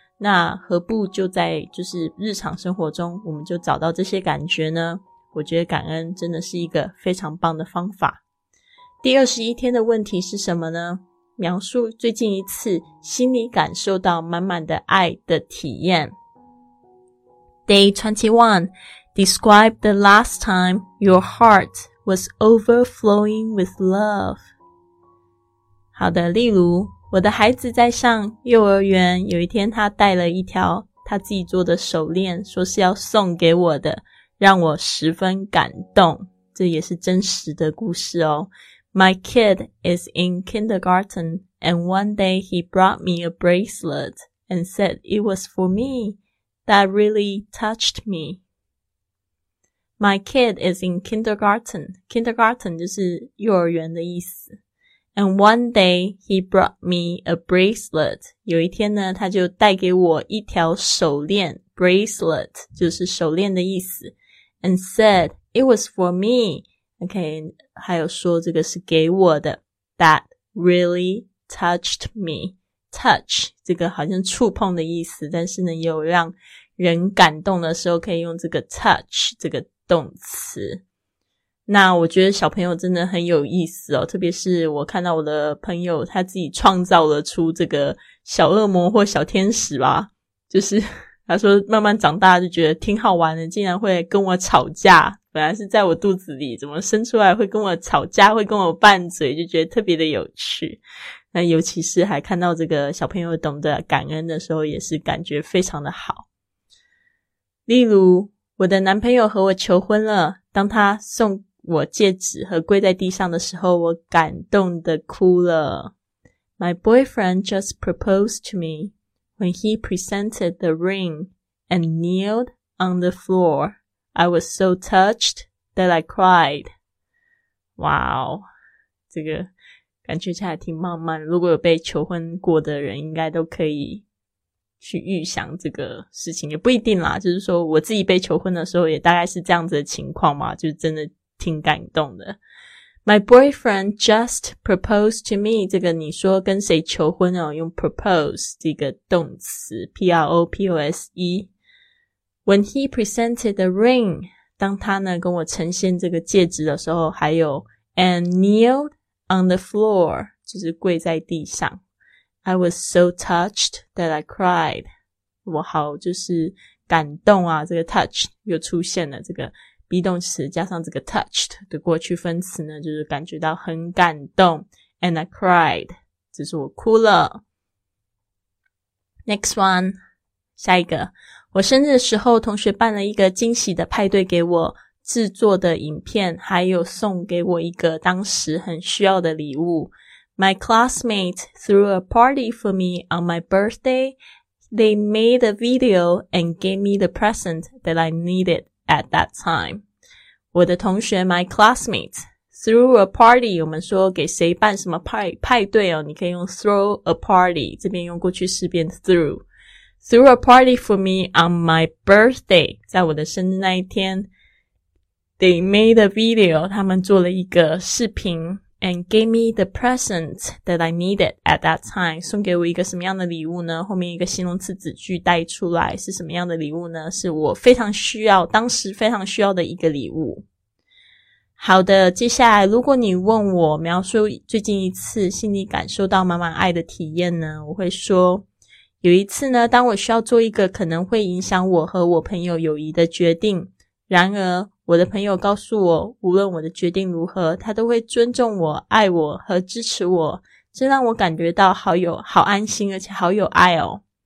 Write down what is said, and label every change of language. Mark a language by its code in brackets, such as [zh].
[zh] 那何不就在就是日常生活中我们就找到这些感觉呢？我觉得感恩真的是一个非常棒的方法。第21天的问题是什么呢？描述最近一次心里感受到满满的爱的体验。 [en] Day 21, Describe the last time your heart was overflowing with love. [zh] 好的，例如我的孩子在上幼儿园，有一天他带了一条他自己做的手链，说是要送给我的，让我十分感动。这也是真实的故事哦。 [en] My kid is in kindergarten, and one day he brought me a bracelet and said it was for me. That really touched me. My kid is in kindergarten. [zh] Kindergarten 就是幼儿园的意思。 [en] And one day he brought me a bracelet. [zh] 有一天呢，他就带给我一条手链。 Bracelet 就是手链的意思。 [en] And said it was for me. [zh] OK, 还有说这个是给我的。 [en] That really touched me. [zh] Touch 这个好像触碰的意思，但是呢有让人感动的时候可以用这个 touch 这个动词。那我觉得小朋友真的很有意思哦，特别是我看到我的朋友他自己创造了出这个小恶魔或小天使吧，就是他说慢慢长大就觉得挺好玩的，竟然会跟我吵架，本来是在我肚子里怎么生出来会跟我吵架，会跟我拌嘴，就觉得特别的有趣。那尤其是还看到这个小朋友懂得感恩的时候，也是感觉非常的好。例如我的男朋友和我求婚了，当他送我戒指和跪在地上的时候，我感动的哭了。 [en] My boyfriend just proposed to me when he presented the ring and kneeled on the floor. I was so touched that I cried. [zh] Wow, 这个感觉起来挺浪漫，如果有被求婚过的人应该都可以去预想这个事情，也不一定啦，就是说我自己被求婚的时候也大概是这样子的情况嘛，就真的挺感动的。 [en] My boyfriend just proposed to me, [zh] 这个你说跟谁求婚哦，用 propose 这个动词 P-R-O-P-O-S-E. [en] When he presented the ring, [zh] 当他呢跟我呈现这个戒指的时候，还有 [en] and kneeled on the floor, [zh] 就是跪在地上， [en] I was so touched that I cried. [zh] 我好就是感动啊，这个 touch 又出现了，这个 be 动词加上这个 touched 的过去分词呢，就是感觉到很感动。 [en] And I cried, [zh] 就是我哭了。 [en] Next one, [zh] 下一个。我生日的时候同学办了一个惊喜的派对给我，制作的影片还有送给我一个当时很需要的礼物。 [en] My classmates threw a party for me on my birthday. They made a video and gave me the present that I needed at that time. [zh] 我的同学 [en] my classmates threw a party, [zh] 我们说给谁办什么派对哦，你可以用 [en] throw a party, [zh] 这边用过去式变 through。 [en] Threw a party for me on my birthday, [zh] 在我的生日那一天。 [en] They made a video, [zh] 他们做了一个视频。 [en] And gave me the present that I needed at that time. [zh] 送给我一个什么样的礼物呢？后面一个形容词子句带出来是什么样的礼物呢？是我非常需要，当时非常需要的一个礼物。好的，接下来如果你问我描述最近一次心里感受到满满爱的体验呢，我会说，有一次呢，当我需要做一个可能会影响我和我朋友友谊的决定，然而我的朋友告诉我，无论我的决定如何，他都会尊重我、爱我和支持我，这让我感觉到好安心，而且好有爱哦。